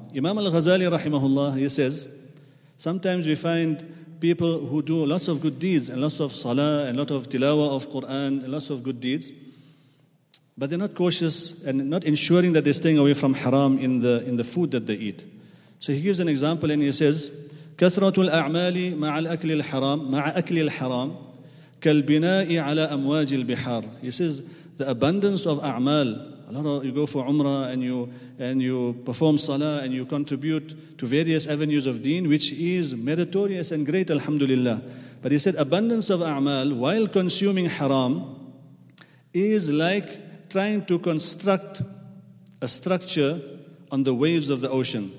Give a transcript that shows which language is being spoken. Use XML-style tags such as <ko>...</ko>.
<en>Imam al-Ghazali rahimahullah, he says, sometimes we find people who do lots of good deeds and lots of salah and lot of tilawah of Quran and lots of good deeds, but they're not cautious and not ensuring that they're staying away from haram in the food that they eat. So he gives an example and he says,</en> <ar>كثرت الأعمال مع الأكل الحرام مع أكل الحرام كالبناء على أمواج البحار.</ar> <en>He says the abundance of أعمال. You go for Umrah and you perform Salah and you contribute to various avenues of Deen, which is meritorious and great, Alhamdulillah. But he said, abundance of A'mal while consuming Haram is like trying to construct a structure on the waves of the ocean.</en>